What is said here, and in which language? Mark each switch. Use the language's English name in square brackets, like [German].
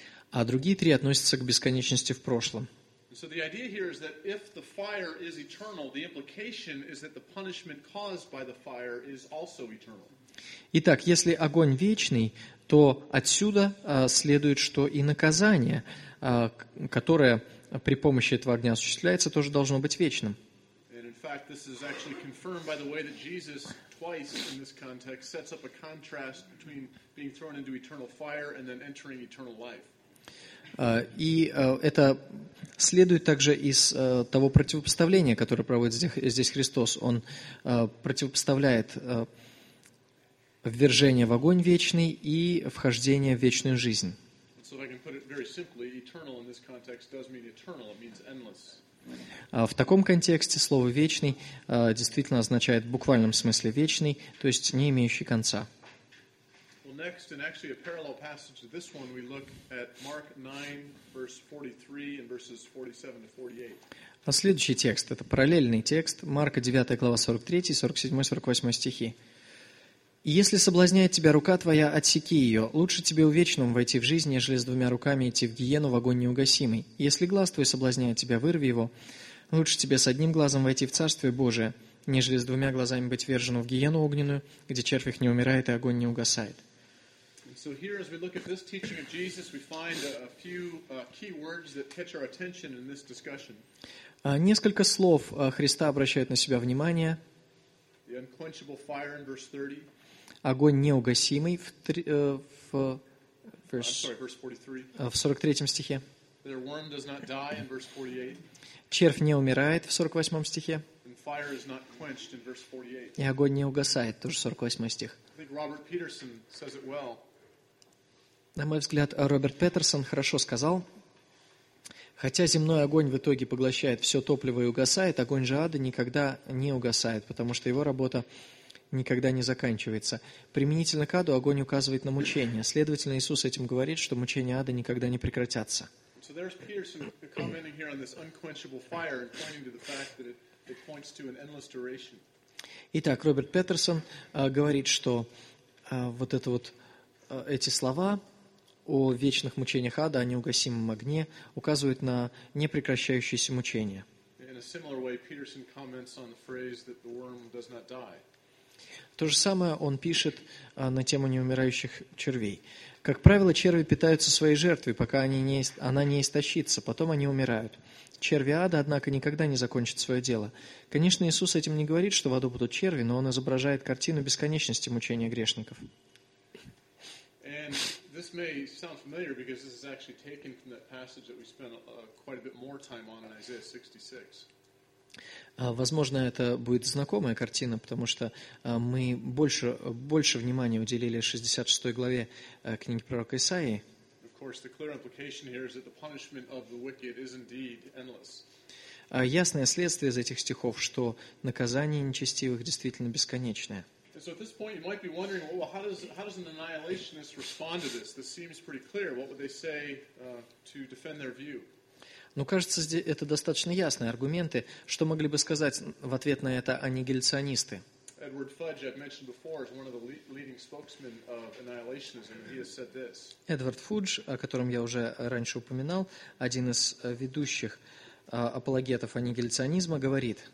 [Russian] А другие 3 относятся к бесконечности в прошлом. [English] So the idea here is that if the fire is eternal, the implication is that the punishment caused by the fire is also eternal. [Russian] Итак, если огонь вечный, то отсюда следует, что и наказание, которое при помощи этого огня осуществляется, тоже должно быть вечным. [English] Fact, this is actually confirmed by the way that Jesus twice in this context sets up a contrast between being thrown into eternal fire and then entering eternal life. [Russian] И это следует также из того противопоставления, которое проводит здесь Христос. Он противопоставляет ввержение в огонь вечный и вхождение в вечную жизнь. [English] So if I can put it very simply, eternal in this context does mean eternal, it means endless. [Russian] В таком контексте слово «вечный» действительно означает в буквальном смысле «вечный», то есть «не имеющий конца». [English] Well, next, and actually a parallel passage to this one, we look at Mark 9, verse 43 and verses 47 to 48. [Russian] А следующий текст, это параллельный текст, Марка 9, глава 43, 47-48 стихи. «Если соблазняет тебя рука твоя, отсеки ее. Лучше тебе у вечного войти в жизнь, нежели с двумя руками идти в гиену, в огонь неугасимый. Если глаз твой соблазняет тебя, вырви его. Лучше тебе с одним глазом войти в Царствие Божие, нежели с двумя глазами быть ввержену в гиену огненную, где червь их не умирает и огонь не угасает». [English] So here, as we look at this teaching of Jesus, we find a few key words that catch our attention in this discussion. [Russian] Несколько слов Христа обращают на себя внимание. [English] The unquenchable fire in verse 30. [Russian] Огонь неугасимый в 43-м стихе. [English] Their worm does not die in verse 48. [Russian] Червь не умирает в 48-м стихе. [English] And fire is not quenched in verse 48. [Russian] И огонь не угасает, тоже 48-й стих. [English] I think Robert Peterson says it well. [Russian] На мой взгляд, Роберт Петерсон хорошо сказал: «Хотя земной огонь в итоге поглощает все топливо и угасает, огонь же ада никогда не угасает, потому что его работа никогда не заканчивается. Применительно к аду огонь указывает на мучение. Следовательно, Иисус этим говорит, что мучения ада никогда не прекратятся». [English] So there's Peterson commenting here on this unquenchable fire and pointing to the fact that it points to an endless duration. [Russian] Итак, Роберт Петерсон говорит, что вот это вот эти слова о вечных мучениях ада, о неугасимом огне, указывают на непрекращающееся мучение. [English] In a similar way, Peterson comments on the phrase that the worm does not die. [Russian] То же самое он пишет на тему неумирающих червей. «Как правило, черви питаются своей жертвой, пока она не истощится, потом они умирают. Черви ада, однако, никогда не закончат свое дело. Конечно, Иисус этим не говорит, что в аду будут черви, но он изображает картину бесконечности мучения грешников». [English] And this may sound familiar because this is actually taken from that passage that we spent quite a bit more time on in Isaiah 66. [Russian] Возможно, это будет знакомая картина, потому что мы больше внимания уделили 66 главе книги пророка Исаии. [English] Of course, the clear implication here is that the punishment of the wicked is indeed endless. [Russian] Ясное следствие из этих стихов, что наказание нечестивых действительно бесконечное. [English] And so at this point you might be wondering, well, how does an annihilationist respond to this? This seems pretty clear. What would they say to defend their view? [Russian] Ну, кажется, это достаточно ясные аргументы. Что могли бы сказать в ответ на это аннигиляционисты? [English] Edward Fudge, I've mentioned before, is one of the leading spokesmen of annihilationism, and he has said this. [Russian] Эдвард Фудж, о котором я уже раньше упоминал, один из ведущих апологетов аннигиляционизма, говорит.